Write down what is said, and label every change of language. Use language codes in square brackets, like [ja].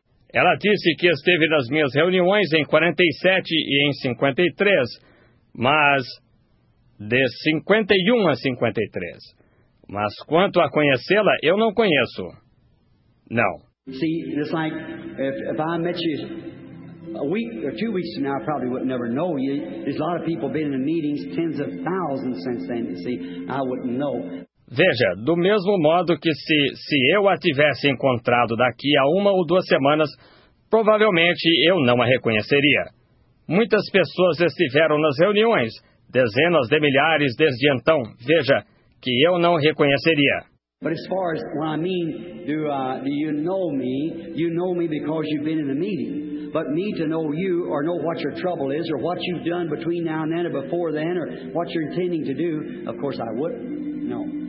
[pt] Ela disse que esteve nas minhas reuniões em 47 e em 53, mas de 51 a 53. mas quanto a conhecê-la, eu não conheço. Não. [en] See, it's like if I met you a week or 2 weeks from now, I probably would never know you. There's a lot of people been in the meetings, tens of thousands since then. You see, I wouldn't know. [pt] Veja, do mesmo modo que se eu a tivesse encontrado daqui a uma ou duas semanas, provavelmente eu não a reconheceria. Muitas pessoas estiveram nas reuniões, dezenas de milhares desde então. Veja, que eu não reconheceria. [en] But as far as what I mean, do you know me because you've been in the meeting. But me to know you or know what your trouble is or what you've done between now and then or before then or what you're intending to do, of course I wouldn't know.